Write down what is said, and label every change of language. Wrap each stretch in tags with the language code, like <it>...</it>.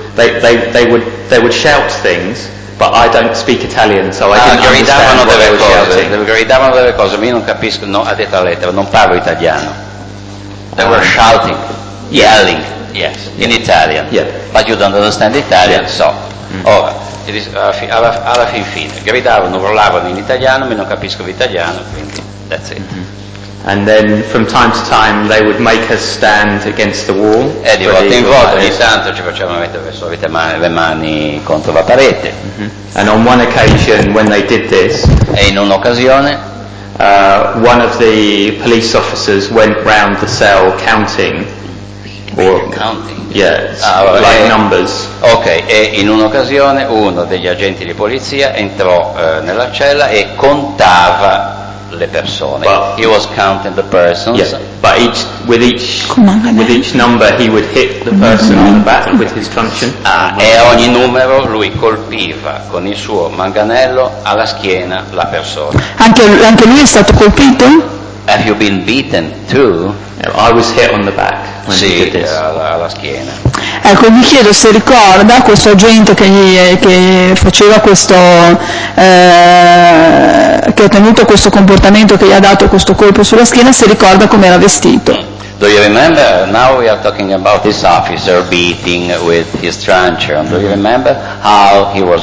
<en>They would shout things. But I don't speak Italian, so I didn't</en> <it>gridavano</it> <en>understand</en> <it>delle cose. Gridavano delle cose, ma io non capisco. No, ha detto la lettera, non parlo italiano.</it> <en>They were shouting, yelling, yes, in Italian. Yeah. But you don't understand Italian, so.</en> <it>Ora, alla fin fine, gridavano, urlavano in italiano, ma io non capisco l'italiano, quindi</it> <en>that's it.</en> <it>Mm-hmm.</it> <en>And then from time to time they would make us stand against the wall.</en> <it>E di volta in volta, ogni tanto ci facevano mettere le mani contro la parete. Mm-hmm.</it> <en>And on one occasion when they did this,</en> <it>e in un'occasione,</it> <en>one of the police officers went round the cell counting. Or, counting? Yeah, like numbers.</en> <it>Ok, e in un'occasione uno degli agenti di polizia entrò nella cella e contava le persone.</it> <en>But he was counting the persons. Yes, but with each number he would hit the person on the back with his truncheon.</en> <it>E ogni numero lui colpiva con il suo manganello alla schiena la persona. Anche lui è stato colpito?</it> <en>Have you been beaten too? I was hit on the back.</en> <it>sì, alla schiena. Ecco, mi chiedo se ricorda questo agente che faceva questo, che ha tenuto questo comportamento, che gli ha dato questo colpo sulla schiena, se ricorda com'era vestito.</it> <en>Do you remember? Now we are talking about this officer beating with his truncheon. Do you remember how he was?</en>